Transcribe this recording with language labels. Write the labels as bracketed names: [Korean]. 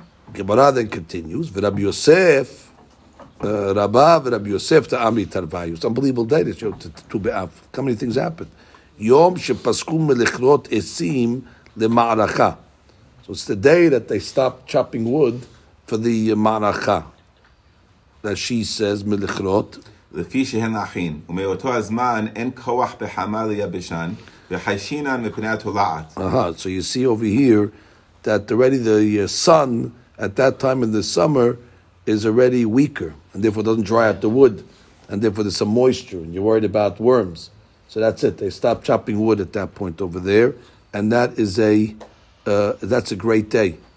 [English] Gemara then continues. Rabbi Yosef, Rabbah, Rabbi Yosef to Ami Tarvayu. It's an unbelievable day. This to be how many things happened. [Hebrew] Yom shepaskum melechrot esim [English] the ma'aracha. So it's the day that they stop chopping wood for the ma'aracha. That she says, milichrot. [Hebrew] לפי שהן להכין, ומאותו הזמן אין כוח בחמה ליבשן, וחיישינן מפני התולעת. [English] So you see over here that already the sun at that time in the summer is already weaker, and therefore doesn't dry out the wood, and therefore there's some moisture, and you're worried about worms. So that's it. They stop chopping wood at that point over there, and that is a that's a great day.